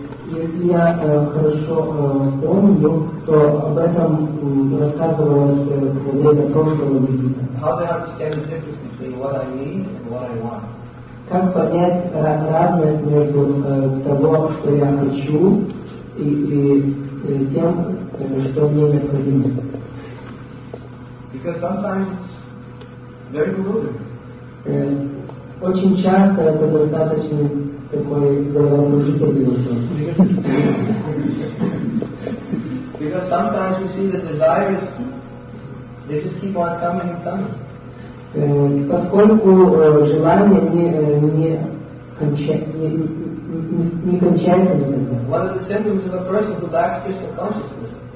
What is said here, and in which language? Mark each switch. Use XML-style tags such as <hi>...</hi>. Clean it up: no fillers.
<ru>Если я хорошо помню, то об этом рассказывалось во время прошлого визита.</ru> <en>How do I understand the difference between what I need and what I want?</en> <ru>Как понять разность между того, что я хочу, и тем, что мне необходимо?</ru> <en>Because sometimes it's very good.</en> <ru>Очень часто это достаточно такой головокружительный вопрос.</ru> <en>Because sometimes we see the desires, they just keep on coming and coming.</en> <ru>Поскольку желания не кончаются никогда.</ru> <en>One of the symptoms of a person who lacks Krishna consciousness.</en>